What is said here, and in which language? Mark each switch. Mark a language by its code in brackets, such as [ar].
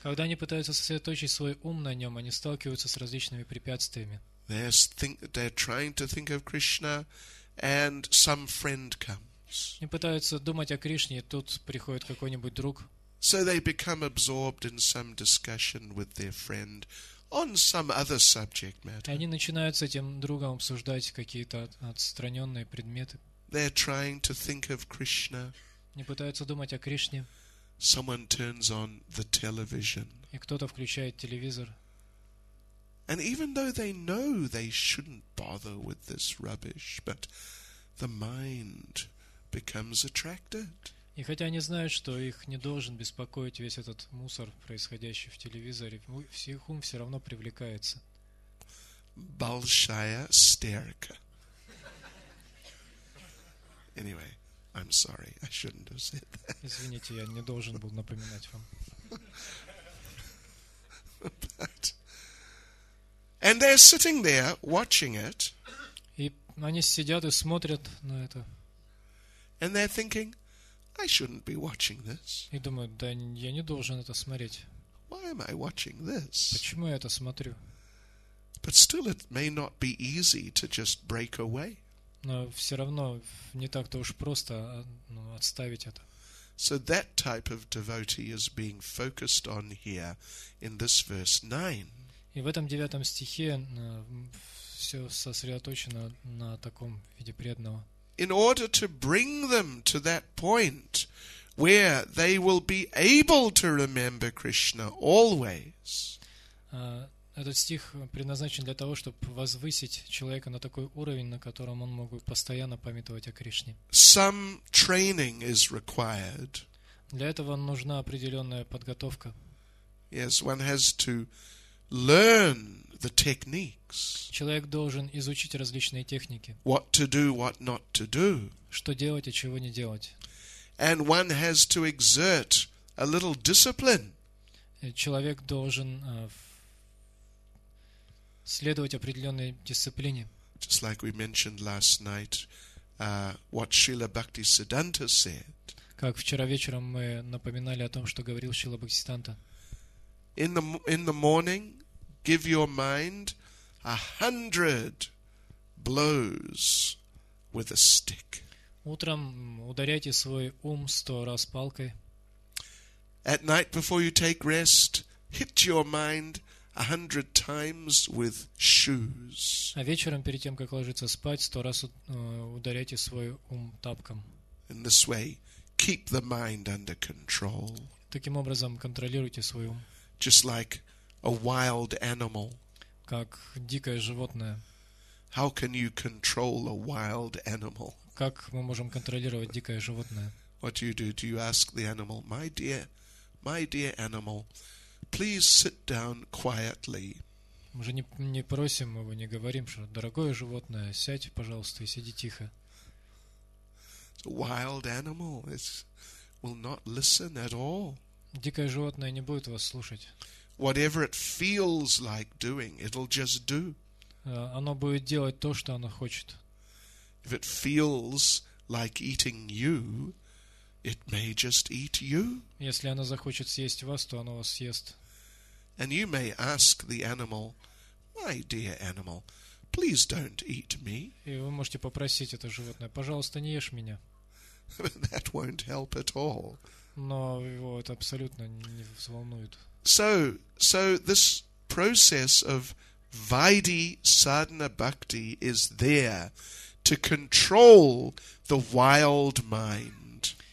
[ru] Когда они пытаются сосредоточить свой ум на нем, они сталкиваются с различными препятствиями. [en] They're trying to think of Krishna, and some friend comes. [ru] Они пытаются думать о Кришне, и тут приходит какой-нибудь друг. [en] So they become absorbed in some discussion with their friend on some other subject matter. [ru] Они начинают с этим другом обсуждать какие-то отстраненные предметы. [en] They're trying to think of Krishna. [ru] Они пытаются думать о Кришне. [en] Someone turns on the television. [ru] И кто-то включает телевизор. [en] And even though they know they shouldn't bother with this rubbish, but the mind becomes attracted. [ru] И хотя они знают, что их не должен беспокоить весь этот мусор, происходящий в телевизоре, их ум все равно привлекается. Большая стерка. [en] Anyway, I'm sorry, I shouldn't have said that. [ru] Извините, я не должен был напоминать вам. [en] But, and they're sitting there watching it. [ru] И они сидят и смотрят на это. [en] And they're thinking, I shouldn't be watching this. [ru] И думают, да, я не должен это смотреть. [en] Why am I watching this? [ru] Почему я это смотрю? [en] But still, it may not be easy to just break away. [ru] Но все равно не так-то уж просто отставить это. [en] So that type of devotee is being focused on here in this verse 9. [ru] И в этом девятом стихе все сосредоточено на таком виде преданного. [en] In order to bring them to that point where they will be able to remember Krishna always. [ru] Этот стих предназначен для того, чтобы возвысить человека на такой уровень, на котором он мог бы постоянно памятовать о Кришне. [en] Some training is required. [ru] Для этого нужна определенная подготовка. [en] Yes, one has to learn the techniques. [ru] Человек должен изучить различные техники. [en] What to do, what not to do. [ru] Что делать и чего не делать. [en] And one has to exert a little discipline. [ru] Человек должен следовать определенной дисциплине. [en] Just like we mentioned last night, what Srila Bhaktisiddhanta said. [ru] Как вчера вечером мы напоминали о том, что говорил Шрила Бхактисиддханта. [en] In the morning, give your mind 100 blows with a stick. [ru] Утром ударяйте свой ум 100 раз палкой. [en] At night, before you take rest, hit your mind 100 times with shoes. [ru] А вечером перед тем, как ложиться спать, 100 раз ударяйте свой ум тапком. [en] In this way, keep the mind under control. [ru] Таким образом, контролируйте свой ум. [en] Just like a wild animal. [ru] Как дикое животное. [en] How can you control a wild animal? [ru] Как мы можем контролировать дикое животное? [en] What do? You ask the animal, my dear animal, please sit down quietly. [ru] Мы же не просим его, не говорим, что дорогое животное, сядь, пожалуйста, и сиди тихо. [en] A wild animal will not listen at all. [ru] Дикое животное не будет вас слушать. [en] Whatever it feels like doing, it'll just do. [ru] Оно будет делать то, что оно хочет. [en] If it feels like eating you, it may just eat you. [ru] Если оно захочет съесть вас, то оно вас съест. [en] And you may ask the animal, my dear animal, please don't eat me. [ru] И вы можете попросить это животное, пожалуйста, не ешь меня. [en] That won't help at all. [ru] Но его это абсолютно не взволнует. [en] So this process of Vaidhi Sadhana Bhakti is there to control the wild mind.